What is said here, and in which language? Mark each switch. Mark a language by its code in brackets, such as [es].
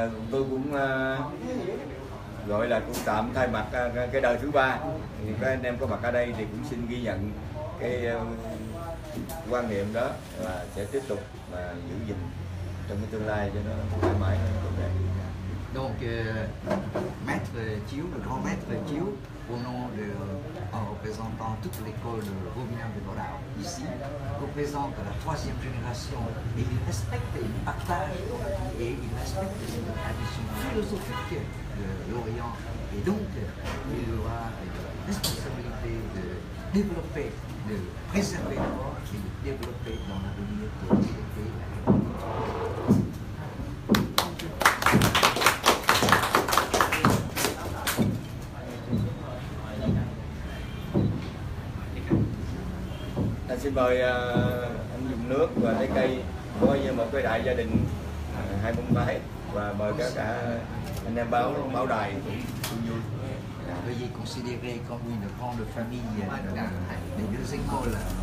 [vi] Tôi cũng gọi là cũng tạm thay mặt cái đời thứ ba, thì các anh em có mặt ở đây thì cũng xin ghi nhận cái quan niệm đó, là sẽ tiếp tục và giữ gìn trong cái tương lai cho nó mãi mãi tốt đẹp. [fr] Donc maître Chiếu, le grand maître Chiếu, au nom de représentant toute l'école de Romain de Borao ici, représente la troisième génération, et il respecte, il partage, et il respecte cette tradition philosophique de l'Orient, et donc il aura la responsabilité de développer, de préserver l'Orient et de développer dans l'avenir pour l'éviter. [vi] Xin mời anh dùng nước và trái cây coi như một cái đại gia đình 247 và mời các cả anh em báo báo đài cũng vui. [fr] Veuillez considérer comme une grande famille les deux écoles.